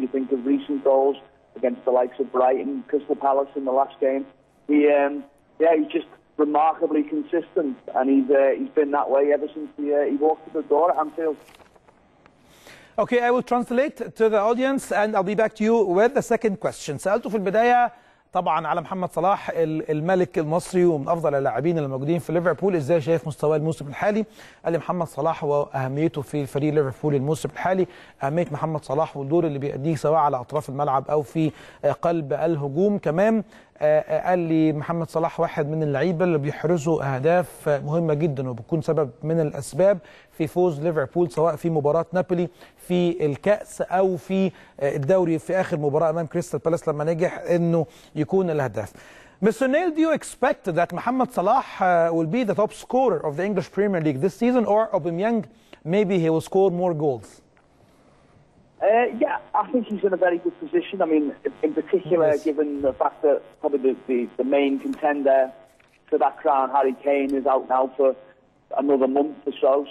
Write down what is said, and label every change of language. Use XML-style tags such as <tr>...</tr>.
<en>You think of recent goals against the likes of Brighton, Crystal Palace in the last game. He's just remarkably consistent, and he's been that way ever since he walked through the door at Anfield. Okay, I will translate to the audience, and I'll be back to you with the second question.</en> <ar>سألته في البداية طبعا على محمد صلاح الملك المصري ومن افضل اللاعبين اللي موجودين في ليفربول، ازاي شايف مستواه الموسم الحالي؟ قال لي محمد صلاح واهميته في فريق ليفربول الموسم الحالي، اهميه محمد صلاح والدور اللي بيأديه سواء على اطراف الملعب او في قلب الهجوم كمان. قال لي محمد صلاح واحد من اللعيبه اللي بيحرزوا اهداف مهمه جدا وبتكون سبب من الاسباب في فوز ليفربول سواء في مباراه نابولي في الكاس او في الدوري في اخر مباراه امام كريستال بالاس لما نجح انه يكون الاهداف.</ar> <en>Mr. Neil, do you expect that Mohamed Salah will be the top scorer of the English Premier League this season or Aubameyang maybe he will score more goals? I think he's in a very good position. I mean, in particular, yes. Given the fact that probably the main contender for that crown, Harry Kane, is out now for another month or so.</en>